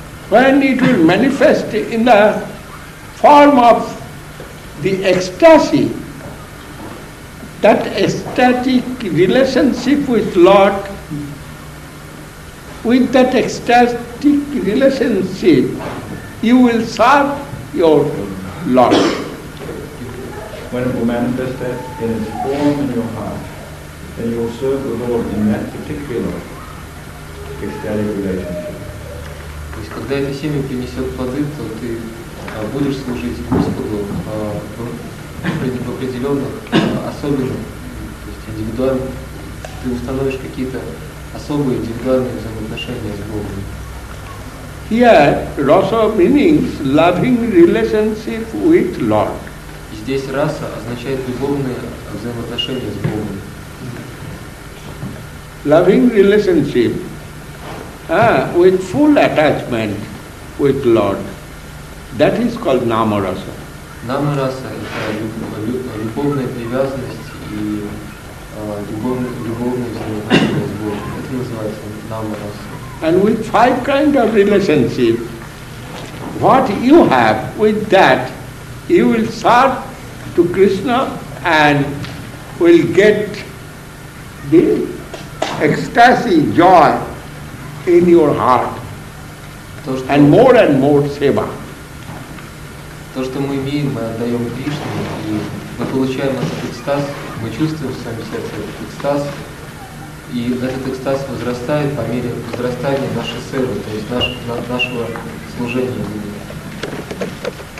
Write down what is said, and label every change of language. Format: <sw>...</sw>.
<en>When it will manifest in the form of the ecstasy, that ecstatic relationship with Lord, with that ecstatic relationship, you will serve your Lord. When it will manifest that in its form in your heart, then you will serve the Lord in that particular ecstatic relationship.</en> <ru>То есть, когда это семя принесет плоды, то ты будешь служить Господу в определенных особенных, то есть индивидуально, ты установишь какие-то особые индивидуальные взаимоотношения с Богом.</ru> <en>Here, rasa means loving relationship with Lord.</en> <ru>Здесь раса означает любовные взаимоотношения с Богом.</ru> <en>Loving relationship. With full attachment with Lord. That is called Namarasa.</en> <ru>Namarasa – это любовная привязанность и любовные взаимоотношения с Богом. Это называется Namarasa.</ru> <en>And with five kinds of relationship, what you have with that, you will serve to Krishna and will get the ecstasy, joy in your heart, and more seva.</en> <ru>То, что мы имеем, мы отдаем Кришне, и мы получаем этот экстаз, мы чувствуем в своем сердце этот экстаз, и этот экстаз возрастает по мере возрастания нашей севы, то есть нашего служения.</ru> <en>This is.</en>